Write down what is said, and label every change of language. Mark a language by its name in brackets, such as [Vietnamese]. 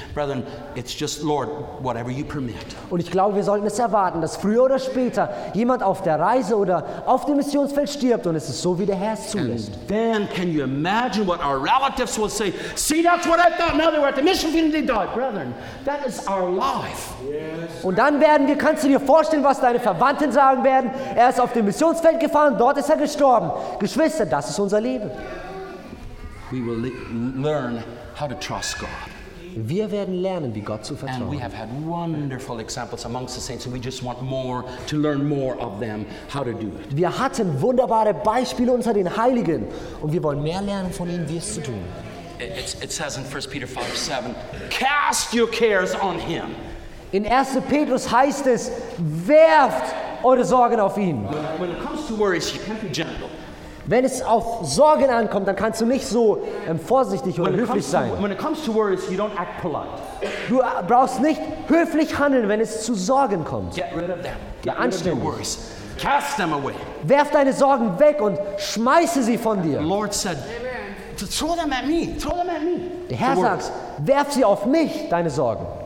[English] Brethren, it's just, Lord, whatever you permit. [German] Und ich glaube, wir sollten es erwarten, dass früher oder später jemand auf der Reise oder auf dem Missionsfeld stirbt und es ist so, wie der Herr es zulässt. [English] And then can you imagine what our relatives will say? See, that's what I thought. Now they were at the mission field and they died. Brethren, that is our life. Yes. [German] Und dann werden wir, kannst du dir vorstellen, was deine Verwandten sagen werden? Er ist auf dem Missionsfeld gefahren, dort ist er gestorben. Geschwister, das ist unser Leben. [English] We will learn how to trust God. [German] Wir werden lernen, wie Gott zu vertrauen. [English] And we have had wonderful examples amongst the saints, and we just want more to learn more of them how to do it. [German] Wir hatten wunderbare Beispiele unter den Heiligen und wir wollen mehr lernen von ihnen, wie es zu tun. [English] It says in 1 Peter 5:7, cast your cares on him. [German] In 1. Petrus heißt es, werft eure Sorgen auf ihn. [English] When it comes to worries, you can't be gentle. [German] Wenn es auf Sorgen ankommt, dann kannst du nicht so vorsichtig oder höflich sein. [English] When it comes to worries, you don't act polite. [German] Du brauchst nicht höflich handeln, wenn es zu Sorgen kommt. [English] Get rid of them. [German] Geh anständig. [English] Cast them away. [German] Werf deine Sorgen weg und schmeiße sie von dir. [English] The Lord said, throw them at me. [German] Der Herr sagt, werf sie auf mich, deine Sorgen.